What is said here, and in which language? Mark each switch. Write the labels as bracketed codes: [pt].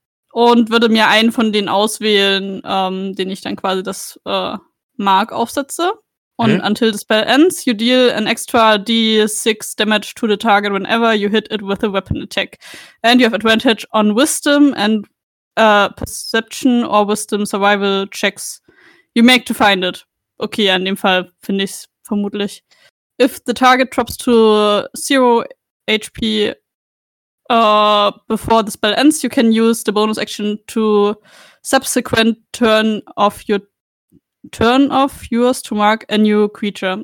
[de] Und würde mir einen von denen auswählen, den ich dann quasi das Mark aufsetze. [en] Und until the spell ends, you deal an extra D6 damage to the target whenever you hit it with a weapon attack. And you have advantage on wisdom and perception or wisdom survival checks you make to find it. [de] Okay, in dem Fall finde ich es vermutlich. [en] If the target drops to 0 HP before the spell ends, you can use the bonus action to subsequent turn off yours to mark a new creature.